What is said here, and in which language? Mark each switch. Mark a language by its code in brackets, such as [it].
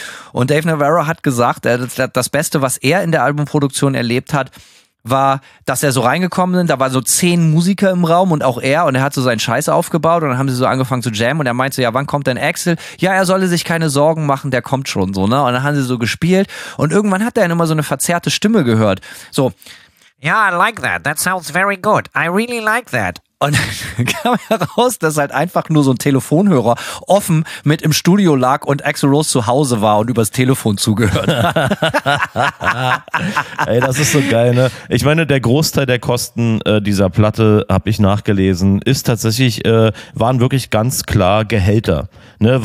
[de] Und Dave Navarro hat gesagt, das Beste, was er in der Albumproduktion erlebt hat, war, dass er so reingekommen ist, da waren so 10 Musiker im Raum und auch er, und er hat so seinen Scheiß aufgebaut und dann haben sie so angefangen zu jammen und er meinte so, ja, wann kommt denn Axl? Ja, er solle sich keine Sorgen machen, der kommt schon so, ne? Und dann haben sie so gespielt und irgendwann hat er dann immer so eine verzerrte Stimme gehört. So, [en] ja, yeah, I like that, that sounds very good, I really like that. [de] Und kam heraus, dass halt einfach nur so ein Telefonhörer offen mit im Studio lag und Axl Rose zu Hause war und übers Telefon zugehört. Ey, das ist so geil, ne? Ich meine, der Großteil der Kosten dieser Platte, habe ich nachgelesen, ist tatsächlich, waren wirklich ganz klar Gehälter. Ne?